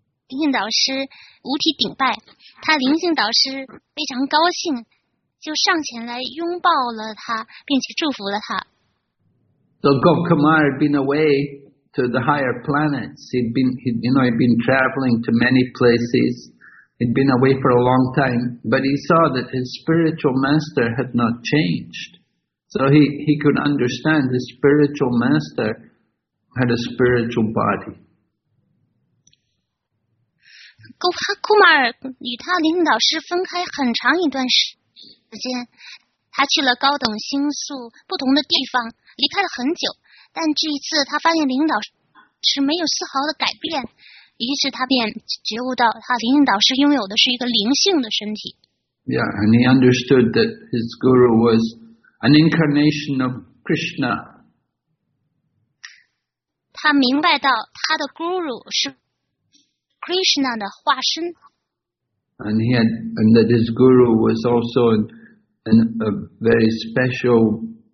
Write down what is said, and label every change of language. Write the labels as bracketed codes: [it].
[zh] 灵性导师五体顶拜，他灵性导师非常高兴，就上前来拥抱了他，并且祝福了他。 [en] So Gokumar had been away to the higher planets. He'd been traveling to many places. He'd been away for a long time, but he saw that his spiritual master had not changed. So he could understand his spiritual master had a spiritual body. [zh] Gokumar 与他灵性导师分开很长一段时间，他去了高等星宿不同的地方。离开了很久，但这一次他发现灵性导师没有丝毫的改变，于是他便觉悟到他灵性导师拥有的是一个灵性的身体。 [en] Yeah, and he understood that his guru was an incarnation of Krishna. [zh] 他明白到他的 guru 是 Krishna 的化身。 [en] And that his guru was also a very special.